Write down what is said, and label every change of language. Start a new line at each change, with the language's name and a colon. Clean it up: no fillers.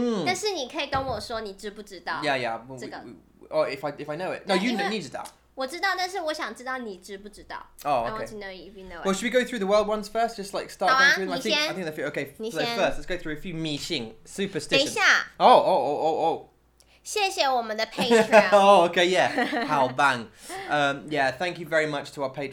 Chinese: 但是你可以跟我说你知不知道。
English: Yeah, yeah. Or if I know it. No, you need to know.
Chinese: 我知道，但是我想知道你知不知道。
English: Oh, okay. I want to know if you know it. Well, should we go through the world ones first? Just like start going through them.
Chinese: 好啊，你先。
English: I think the few, okay, like first, let's go through a few
Chinese: 迷信
English: superstition.
Chinese: 等一下。
English: Oh.
Chinese: 谢谢我们的
English: patrons. Oh, okay, yeah.
Chinese: 好棒。
English: Yeah, thank you very much to our patrons.